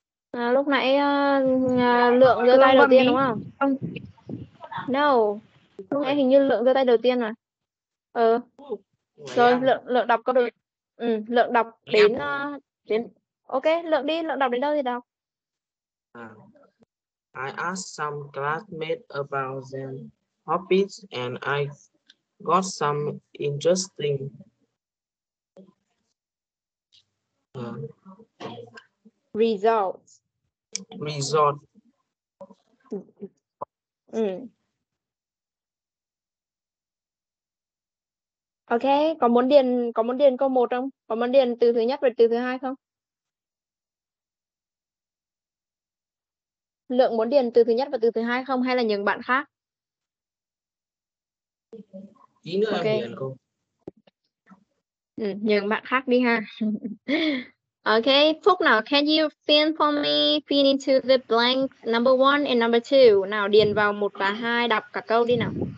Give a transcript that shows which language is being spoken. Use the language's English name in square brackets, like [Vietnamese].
[Vietnamese] À, lúc nãy Lượng giơ tay đầu tiên đúng không? Không. [English] No. [Vietnamese] Lúc nãy hình như Lượng giơ tay đầu tiên mà. Ờ. Rồi Lượng đọc có được. Ừ, Lượng đọc đến ok, Lượng đi, Lượng đọc đến đâu thì đọc. [English] I asked some classmates about their hobbies and I got some interesting. Result. [Vietnamese] Ừ. Ok, có muốn điền câu 1 không? Có muốn điền từ thứ nhất và từ thứ hai không? Lượng muốn điền từ thứ nhất và từ thứ hai không hay là những bạn khác? Tí nữa okay. Em điền câu. Ừ, những bạn khác đi ha. [English] Okay, Phúc [Vietnamese] nào, [English] can you fill for me, fill into the blank number 1 and number 2? [Vietnamese] Nào, điền vào 1 và 2, đọc cả câu đi nào.